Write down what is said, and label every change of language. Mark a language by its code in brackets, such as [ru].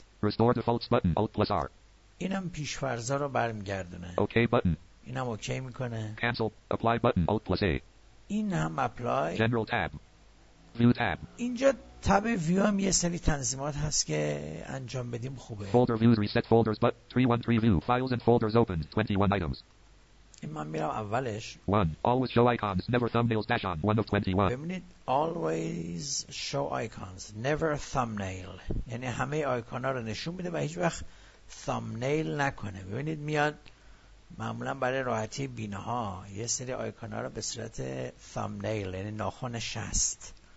[en] restore defaults button alt plus r [fa] اینم پیشفرزا رو برمیگردونه [en] okay button [fa] اینم اوکی میکنه [en] cancel apply button alt plus a [fa] اینم apply [en] general tab view tab [fa] اینجا تب ویو هم یه سری تنظیمات هست که انجام بدیم خوبه [en] folder views reset folders but 313 view files and folders opened 21 items [fa] این من میرم اولش [en] one always show icons never thumbnails dash on one of 21 [fa] ببینید [en] always show icons never thumbnail [fa] یعنی همه آیکون ها رو نشون میده و هیچ وقت thumbnail نکنه ببینید میاد معمولا برای راحتی بینه ها یه سری آیکون ها رو به صورت thumbnail یعنی ناخن شست